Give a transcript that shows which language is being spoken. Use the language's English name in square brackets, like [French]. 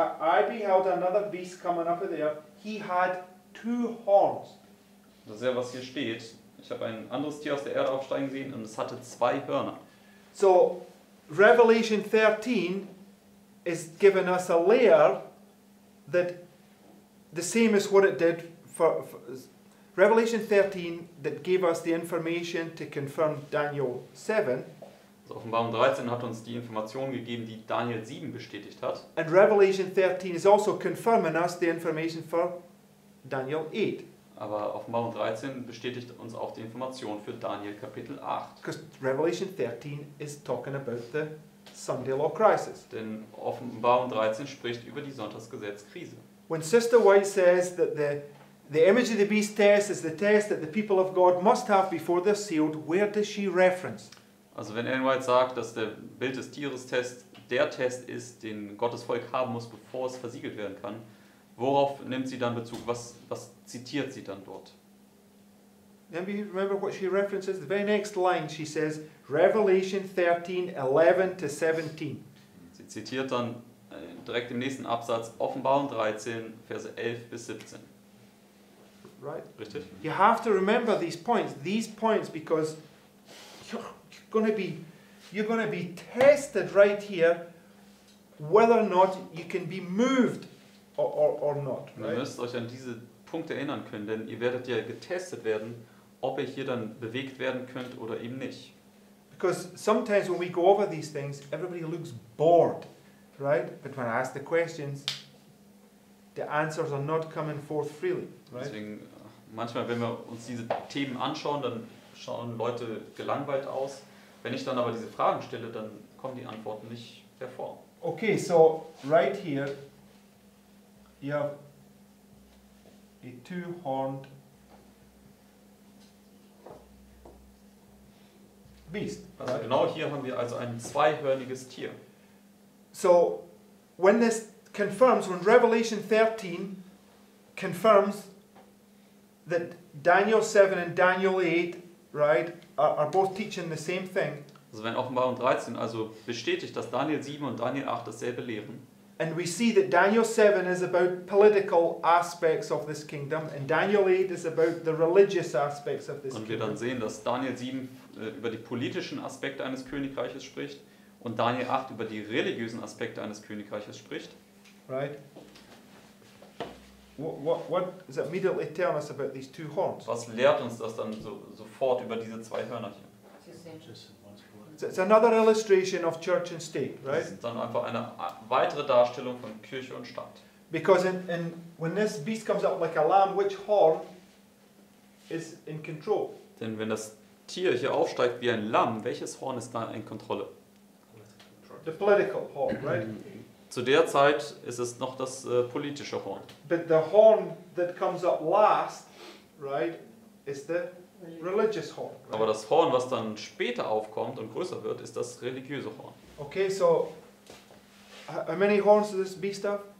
[English] I beheld another beast coming up of there. He had two horns. [German] Das ist ja, was hier steht. Ich habe ein anderes Tier aus der Erde aufsteigen sehen und es hatte zwei Hörner. [English] So, Revelation 13 is giving us a layer that the same as what it did for Revelation 13 that gave us the information to confirm Daniel 7. [German] Also Offenbarung 13 hat uns die Information gegeben, die Daniel 7 bestätigt hat. [English] And Revelation 13 is also confirming us the information for Daniel 8. [German] Aber Offenbarung 13 bestätigt uns auch die Information für Daniel Kapitel 8. [English] Because Revelation 13 is talking about the Sunday law crisis. [German] Denn Offenbarung 13 spricht über die Sonntagsgesetzkrise. [English] When Sister White says that the image of the beast test is the test that the people of God must have before they're sealed, where does she reference? [German] Also wenn Ellen White sagt, dass der Bild des Tieres Test der Test ist, den Gottes Volk haben muss, bevor es versiegelt werden kann, worauf nimmt sie dann Bezug? Was zitiert sie dann dort? [English] Maybe you remember what she references? The very next line she says, Revelation 13, 11 to 17. [German] Sie zitiert dann direkt im nächsten Absatz Offenbarung 13, Verse 11 bis 17. [English] Right. [German] Richtig. [English] You have to remember these points, because you're gonna be tested right here whether or not you can be moved or not. Right? [German] Ihr müsst euch an diese Punkte erinnern können, denn ihr werdet ja getestet werden, ob ihr hier dann bewegt werden könnt oder eben nicht. [English] Because sometimes when we go over these things, everybody looks bored, right? But when I ask the questions, the answers are not coming forth freely. Right? [German] Deswegen, manchmal, wenn wir uns diese Themen anschauen, dann schauen Leute gelangweilt aus. Wenn ich dann aber diese Fragen stelle, dann kommen die Antworten nicht hervor. [English] Okay, so right here, you have a two-horned beast. Right? [German] Also genau hier haben wir also ein zweihörniges Tier. [English] So, when this confirms, when Revelation 13 confirms that Daniel 7 and Daniel 8 right, are both teaching the same thing. [German] Also wenn Offenbarung 13 also bestätigt, dass Daniel 7 und Daniel 8 dasselbe lehren. [English] And we see that Daniel 7 is about political aspects of this kingdom and Daniel 8 is about the religious aspects of this kingdom. [German] Und wir dann sehen, dass Daniel 7 über die politischen Aspekte eines Königreiches spricht und Daniel 8 über die religiösen Aspekte eines Königreiches spricht. [English] Right. What does it immediately tell us about these two horns? [German] Was lehrt uns das dann so, sofort über diese zwei Hörner hier? [English] It's another illustration of church and state, right? [German] Das ist dann einfach eine weitere Darstellung von Kirche und Staat. [English] Because in when this beast comes up like a lamb, which horn is in control? [German] Denn wenn das Tier hier aufsteigt wie ein Lamm, welches Horn ist da in Kontrolle? [English] The political horn, right? [German] Zu der Zeit ist es noch das politische Horn. [English] But the horn that comes up last, right, is the religious horn, right? [German] Aber das Horn, was dann später aufkommt und größer wird, ist das religiöse Horn. [English] Okay, so how many horns does this beast have?